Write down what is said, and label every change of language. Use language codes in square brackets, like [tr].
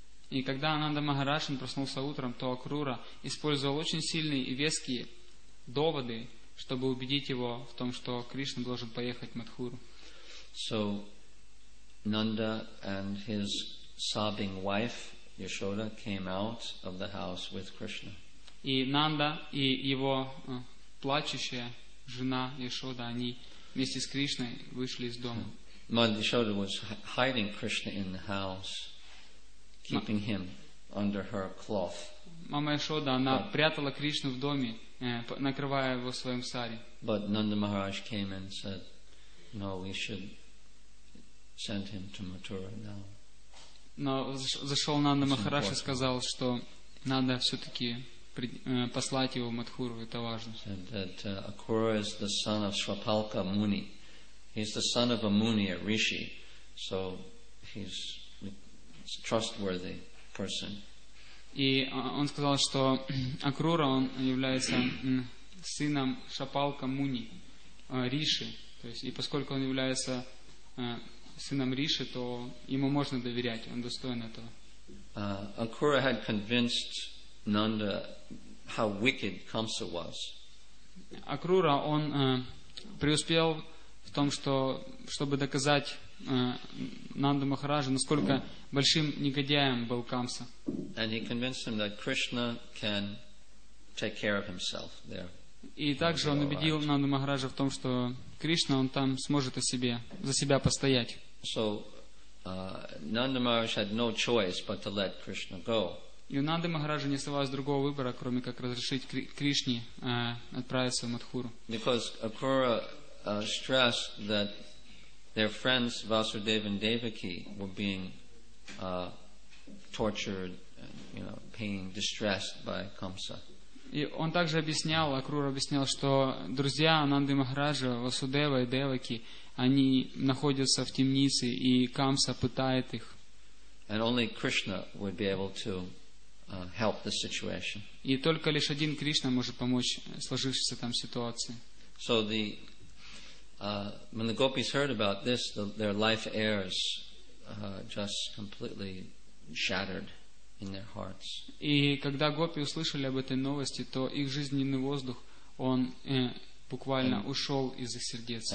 [ru] И когда Ананда Махарадж проснулся утром, то Акрура использовал очень сильные и веские доводы, чтобы убедить его в том, что Кришна должен поехать в Матхуру. [en] So Nanda and his sobbing wife Yashoda came out of the house with Krishna. [ru] И Нанда и его плачущая жена Яшода, они вместе с Кришной вышли из дома. [en] Mother Yashoda was hiding Krishna in the house, keeping him under her cloth. [ru] Мама Яшода, она прятала Кришну в доме, накрывая его своим сари. [en] But Nanda Maharaj came and said, no, we should send him to Mathura now. [ru] Но зашел Нанда Махараш и сказал, что надо все-таки послать его в Матхуру, это важно. [en] That Akura is the son of Svapalka Muni. He's the son of a Muni, a Rishi. So he's a trustworthy person. [ru] И он сказал, что Акрура, он является сыном Шапалка Муни, Риши. То есть, и поскольку он является сыном Риши, то ему можно доверять, он достоин этого. [en] Акрура had convinced Nanda how wicked Kamsa was. [ru] Акрура, он преуспел в том, что, чтобы доказать Нанда Махараджа, насколько большим негодяем был Камса. [en] And he convinced him that Krishna can take care of himself there. [ru] И также он убедил Нанда Махараджа в том, что Кришна, он там сможет о себе, за себя постоять. [en] So Nanda Maharaj had no choice but to let Krishna go. [ru] И у Нанды Махараджа не оставалось другого выбора, кроме как разрешить Кришне отправиться в Матхуру. [en] Because Akura stressed that their friends Vasudev and Devaki were being tortured, you know, being distressed by Kamsa. [ru] И он также объяснял, Акрур объяснял, что друзья Ананды Махараджа, Васудева и Деваки, они находятся в темнице, и Камса пытает их. [en] And only Krishna would be able to help the situation. [ru] И только лишь один Кришна может помочь сложившейся там ситуации. [en] So the when the gopis heard about this, their life airs just completely shattered. In their hearts. [ru] И когда гопи услышали об этой новости, то их жизненный воздух, он буквально ушел из их сердец.